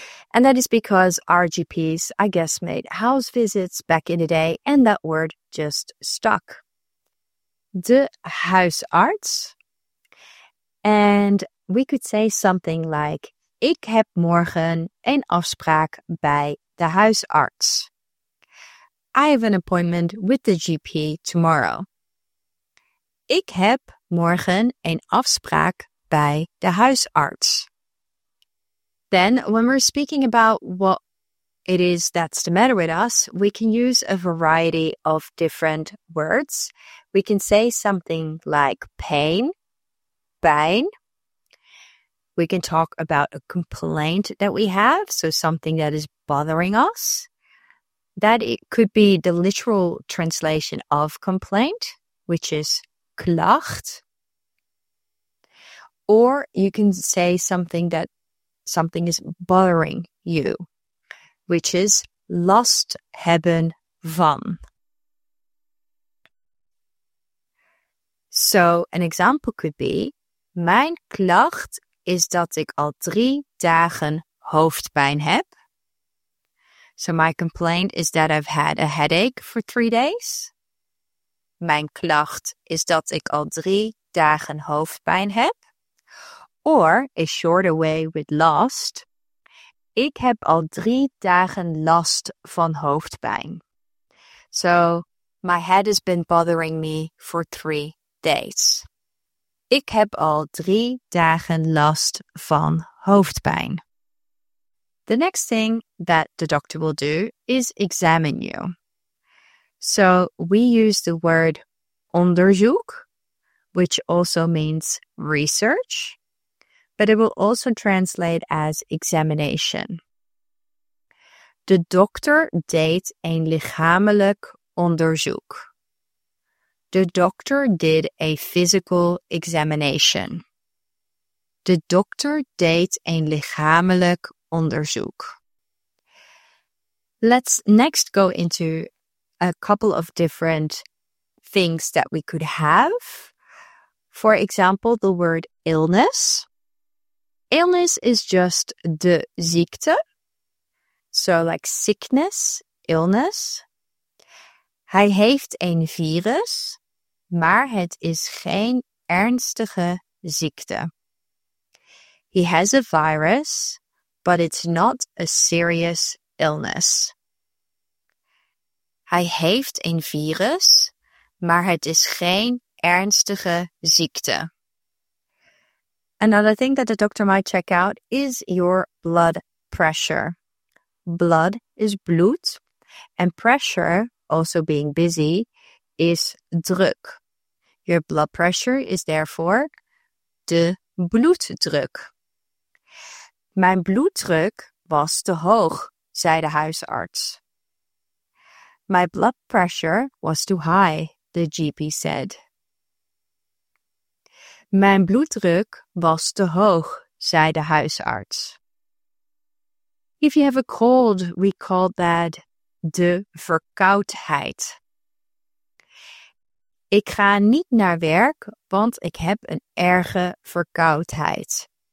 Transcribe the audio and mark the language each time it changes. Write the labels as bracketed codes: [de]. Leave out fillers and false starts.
[en] And that is because our GPs, I guess, made house visits back in the day and that word just stuck. [nl] De huisarts. [en] And we could say something like, [nl] ik heb morgen een afspraak bij de huisarts. [en] I have an appointment with the GP tomorrow. [nl] Ik heb morgen een afspraak bij de huisarts. [en] Then, when we're speaking about what it is that's the matter with us, we can use a variety of different words. We can say something like pain, pijn. We can talk about a complaint that we have, so something that is bothering us. That it could be the literal translation of complaint, which is klacht. Or you can say something is bothering you, which is [nl] last hebben van. [en] So an example could be, [nl] mijn klacht is dat ik al 3 dagen hoofdpijn heb. [en] So my complaint is that I've had a headache for 3 days. [nl] Mijn klacht is dat ik al 3 dagen hoofdpijn heb. [en] Or a shorter way with last. [nl] Ik heb al 3 dagen last van hoofdpijn. [en] So my head has been bothering me for 3 days. [nl] Ik heb al 3 dagen last van hoofdpijn. [en] The next thing that the doctor will do is examine you. So we use the word onderzoek, which also means research, but it will also translate as examination. [nl] De dokter deed een lichamelijk onderzoek. [en] The doctor did a physical examination. [nl] De dokter deed een lichamelijk onderzoek. [en] Let's next go into a couple of different things that we could have. For example, the word illness. Illness is just de ziekte. So like sickness, illness. [nl] Hij heeft een virus, maar het is geen ernstige ziekte. [en] He has a virus, but it's not a serious illness. [nl] Hij heeft een virus, maar het is geen ernstige ziekte. [en] Another thing that the doctor might check out is your blood pressure. Blood is bloed, and pressure, also being busy, is druk. Your blood pressure is therefore de bloeddruk. [nl] Mijn bloeddruk was te hoog, zei de huisarts. [en] My blood pressure was too high, the GP said. [nl] Mijn bloeddruk was te hoog, zei de huisarts. [en] If you have a cold, we call that de verkoudheid. [nl] Ik ga niet naar werk, want ik heb een erge verkoudheid.